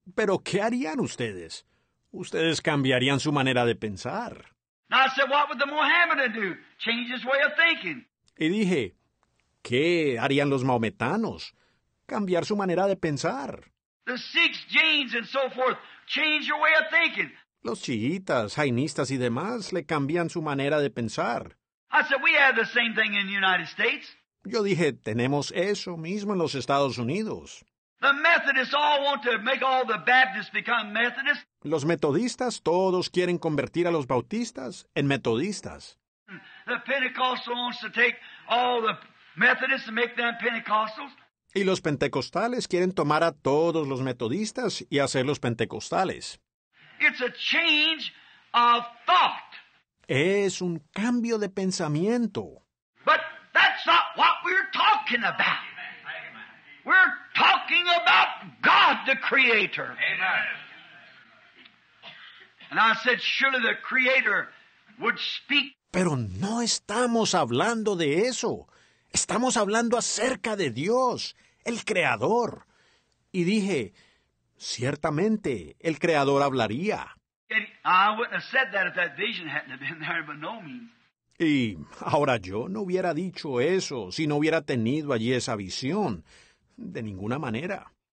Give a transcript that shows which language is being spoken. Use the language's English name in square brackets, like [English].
[Spanish] ¿Pero qué harían ustedes? Ustedes cambiarían su manera de pensar. [English] Now I said, what would the Mohammedan do? Change his way of thinking. [Spanish] Y dije, ¿qué harían los mahometanos? Cambiar su manera de pensar. [English] The Sikhs, Jains, and so forth, change your way of thinking. [Spanish] Los chiitas, jainistas y demás le cambian su manera de pensar. [English] I said, we have the same thing in the United States. [Spanish] Yo dije, tenemos eso mismo en los Estados Unidos. [English] The Methodists all want to make all the Baptists become Methodists. [Spanish] Los metodistas todos quieren convertir a los bautistas en metodistas. [English] The Pentecostal wants to take all the Methodists and make them Pentecostals. [Spanish] Y los pentecostales quieren tomar a todos los metodistas y hacerlos pentecostales. [English] It's a change of thought. [Spanish] Es un cambio de pensamiento. [English] But that's not what we're talking about. We're talking about God the Creator. Amen. And I said, surely the Creator would speak. [Spanish] Pero no estamos hablando de eso. Estamos hablando acerca de Dios, el Creador. Y dije, ciertamente, el Creador hablaría. [English] And I wouldn't have said that if that vision hadn't have been there, but no means. [Spanish] Y ahora yo no hubiera dicho eso si no hubiera tenido allí esa visión. De ninguna manera.